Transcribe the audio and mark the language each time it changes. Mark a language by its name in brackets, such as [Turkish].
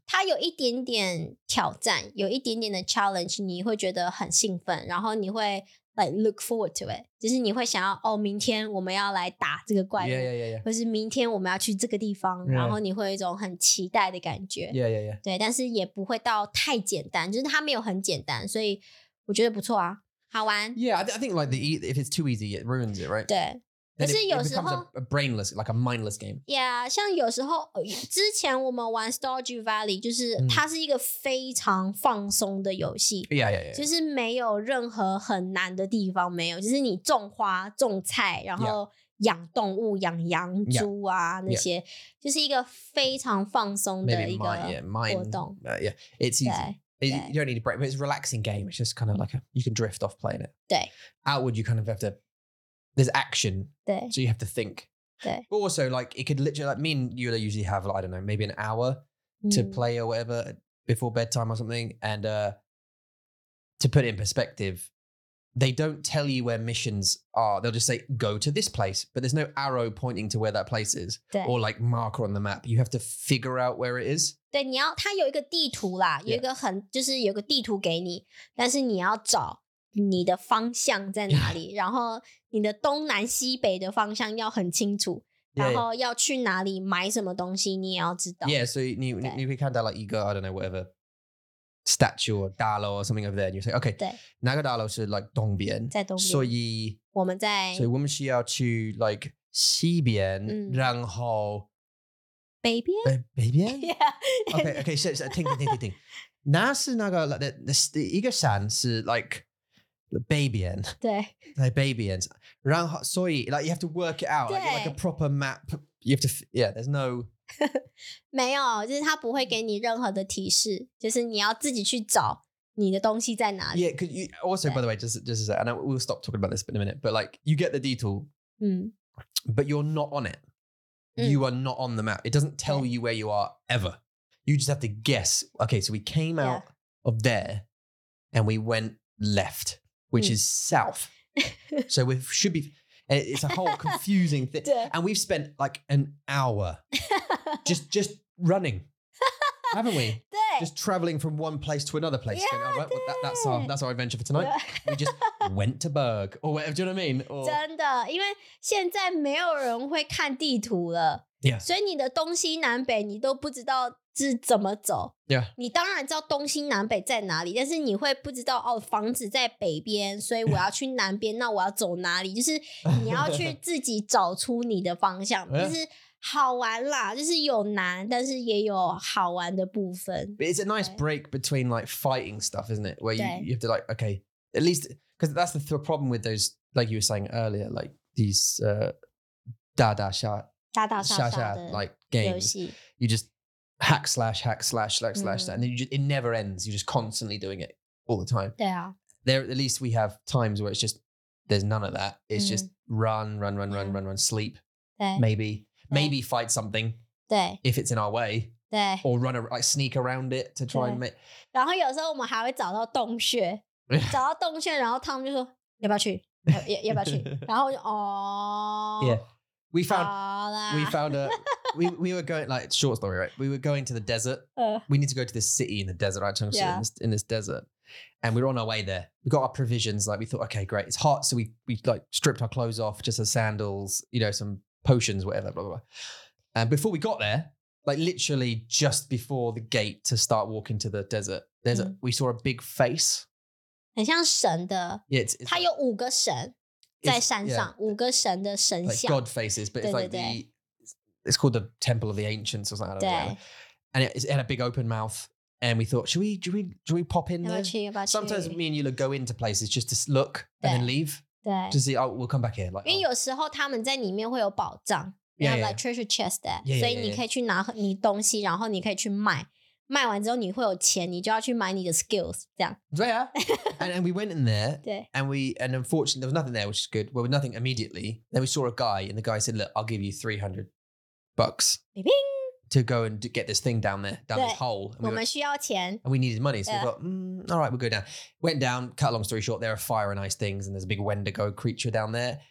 [Chinese] 它有一点点挑战，有一点点的 challenge， 你会觉得很兴奋，然后你会 [English] like look forward to it， [Chinese] 就是你会想要哦，明天我们要来打这个怪物， [English] yeah, yeah, yeah, yeah. [Chinese] 或是明天我们要去这个地方， [English] yeah. [Chinese] 然后你会有一种很期待的感觉， [English] yeah, yeah, yeah. [Chinese] 对，但是也不会到太简单，就是它没有很简单，所以我觉得不错啊，好玩。 [English] Yeah, I think like the if it's too easy, it ruins it, right? [Chinese] 对。可是有时候 [English] a brainless, like a mindless game. [Chinese] Yeah, 像有时候之前我们玩 Stardew Valley, 就是它是一个非常放松的游戏。 [English] Yeah, yeah, yeah. [Chinese] 就是没有任何很难的地方，没有，就是你种花、种菜，然后养动物、养羊、猪啊 [English] yeah, [Chinese] 那些， [English] yeah. [Chinese] 就是一个非常放松的一个活动。 [English] Yeah, it's easy. You don't need a break, but it's a relaxing game. It's just kind of like you can drift off playing it. 对。 Outward, you kind of have to. There's action, so you have to think. But also, like, it could literally, like, me and Yula usually have, like, I don't know, maybe an hour to play or whatever before bedtime or something. And to put it in perspective, they don't tell you where missions are. They'll just say, go to this place. But there's no arrow pointing to where that place is or, like, marker on the map. You have to figure out where it is. [Chinese] 对，你要它有一个地图啦，有一个很、yeah. 就是有个地图给你，但是你要找你的方向在哪里， yeah. 然后你的东南西北的方向要很清楚， [English] yeah. [Chinese] 然后要去哪里买什么东西，你也要知道。 [English] Yeah, so you can [Chinese] 看到 [English] like 一个 I don't know whatever statue or [Chinese] 大楼 [English] or something over there, and you say okay, [Chinese] 对，那个大楼是 like 东边，在东边，所以我们在，所以我们需要去 like 西边，然后。北边 [English] yeah. Okay, okay, so, so, [Chinese] 听那是那个 [English] like, the [Chinese] 一个山是 [English] like [Chinese] 北边对 [English] like [Chinese] 北边然后所以 [English] like you have to work it out like, like a proper map you have to yeah there's no [Chinese] 没有就是他不会给你任何的提示就是你要自己去找你的东西在哪里 [English] yeah you, also by the way just to say and we'll stop talking about this in a minute but like you get the detour but you're not on itYou are not on the map. It doesn't tell you where you are ever. You just have to guess. Okay, so we came out of there and we went left, which is south. So we should be, it's a whole confusing thing. And we've spent like an hour just running, haven't we? Just traveling from one place to another place. Yeah, going, oh, well, that's our adventure for tonight. We just went to Berg. Or whatever, do you know what I mean? Or, [Chinese] 真的，因为现在没有人会看地图了。 [English] Yeah. [Chinese] 所以你的东西南北你都不知道是怎么走。 [English] Yeah. [Chinese] 你当然知道东西南北在哪里，但是你会不知道哦，房子在北边，所以我要去南边，那我要走哪里？就是你要去自己找出你的方向，就是。好玩啦，就是有难，但是也有好玩的部分。 [English] But it's a nice break between like fighting stuff, isn't it? Where you have to like, okay, at least, because that's the problem with those, like you were saying earlier, like these da da sha sha games. You just hack slash, and then it never ends. You're just constantly doing it all the time. Yeah. There, at least we have times where it's just, there's none of that. It's just run, sleep, maybe. Maybe fight something, if it's in our way, or run around, like sneak around it to try and make. [Chinese] 然后有时候我们还会找到洞穴，找到洞穴，然后他们就说要不要去，要不要去？然后就哦 [English] ，Yeah, we found were going like short story, right? We were going to the desert. We need to go to this city in the desert, right? In this desert, and we were on our way there. We got our provisions, like we thought, okay, great. It's hot, so we like stripped our clothes off, just our sandals, you know, some. Potions, whatever, blah, blah, blah. And before we got there, like literally just before the gate to start walking to the desert, there's we saw a big face. [Chinese] 很像神的。 [English] Yeah, it's [Chinese] 它有五个神在山上 yeah, 五个神的神像。 [English] Like God faces, but it's [Chinese] 对对对 [English] like the, it's called the Temple of the Ancients or something. I don't know. And it had a big open mouth. And we thought, should we pop in there? [Chinese] 要不要去 [English] Sometimes me and Yula go into places just to look and then leave. [Chinese] 对，就是 [English] oh, we'll come back here. Like, [Chinese] 因为有时候他们在里面会有宝藏 [English] yeah, ，you have like treasure chest there, yeah, yeah, [Chinese] 所以你可以去拿你东西，然后你可以去卖，卖完之后你会有钱，你就要去买你的 skills 这样。对啊， [English] and we went in there, [Chinese] 对 [English] and unfortunately there was nothing there, which is good. Well, nothing immediately. Then we saw a guy, and the guy said, "Look, I'll give you $300." Bing bing. to go and get this thing down there, down this hole. And we went, and we needed money. So we thought, all right, we'll go down. Went down, cut a long story short, there are fire and ice things and there's a big Wendigo creature down there.